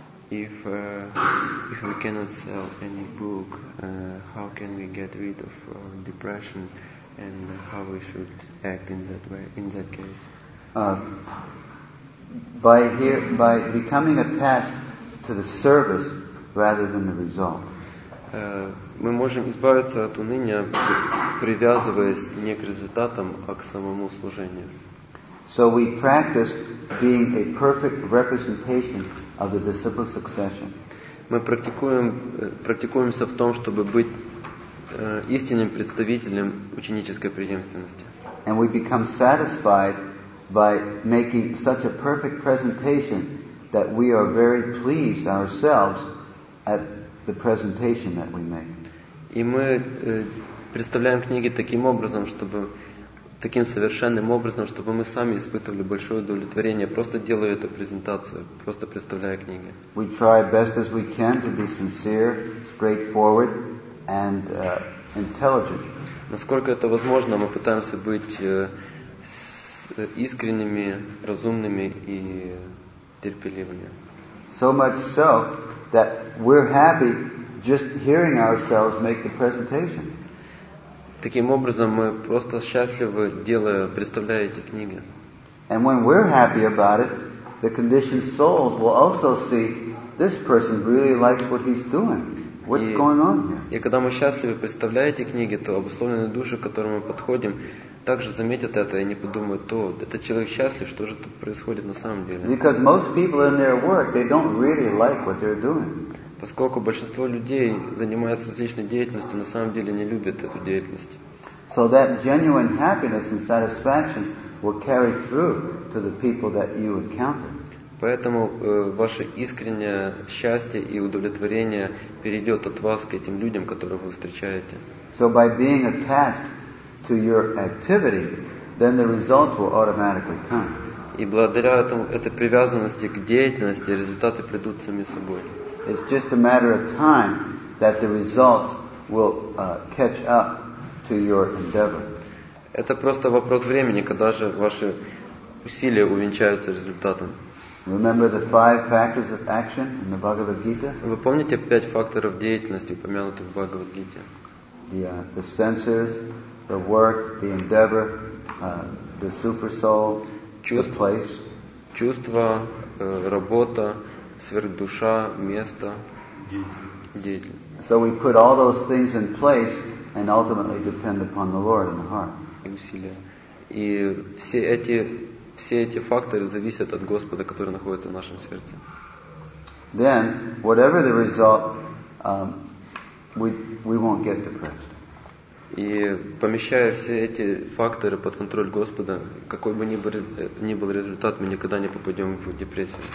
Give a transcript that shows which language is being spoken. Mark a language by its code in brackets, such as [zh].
[en] If we cannot sell any book, how can we get rid of depression and how we should act in that way, in that case? By becoming attached to the service rather than the result. [ru] Мы можем избавиться от уныния, привязываясь не к результатам, а к самому служению. [en] So we practice being a perfect representation of the disciple succession. [ru] Мы практикуемся в том, чтобы быть истинным представителем ученической преемственности. [en] And we become satisfied by making such a perfect presentation that we are very pleased ourselves at the presentation that we make. [ru] И мы представляем книги таким образом, чтобы таким совершенным образом, чтобы мы сами испытывали большое удовлетворение, просто делая эту презентацию, просто представляя книги. [en] We try best as we can to be sincere, straightforward, and intelligent. [ru] Насколько это возможно, мы пытаемся быть искренними, разумными и терпеливыми. [en] So much so that we're happy just hearing ourselves make the presentation. [ru] Таким образом, мы просто счастливы, представляя эти книги. [en] And when we're happy about it, the conditioned souls will also see this person really likes what he's doing. What's going on here? [ru] И когда мы счастливы, представляя эти книги, то обусловленные души, к которым мы подходим, также заметят это, и они подумают, то этот человек счастлив, что же тут происходит на самом деле? [en] Because most people in their work, they don't really like what they're doing. [ru] Поскольку большинство людей занимаются различной деятельностью, на самом деле не любят эту деятельность. [en] So that genuine happiness and satisfaction will carry through to the people that you encounter. [ru] Поэтому ваше искреннее счастье и удовлетворение перейдет от вас к этим людям, которых вы встречаете. [en] So by being attached to your activity, then the results will automatically come. [ru] И благодаря этой привязанности к деятельности результаты придут сами собой. [en] It's just a matter of time that the results will catch up to your endeavor. [ru] Это просто вопрос времени, когда же ваши усилия увенчаются результатом. [en] Remember the five factors of action in the Bhagavad Gita? [ru] Вы помните пять факторов деятельности, упомянутых в Бхагавад Гите? [en] The senses, the work, the endeavor, the super soul, the place. [ru] Чувства, работа. Сверхдуша, место, деятельность. [en] So we put all those things in place and ultimately depend upon the Lord in the heart. [ru] И усилия. И все эти факторы зависят от Господа, который находится в нашем сердце. [en] Then, whatever the result, we won't get depressed. [ru] И помещая все эти факторы под контроль Господа, какой бы ни был результат, мы никогда не попадем в депрессию.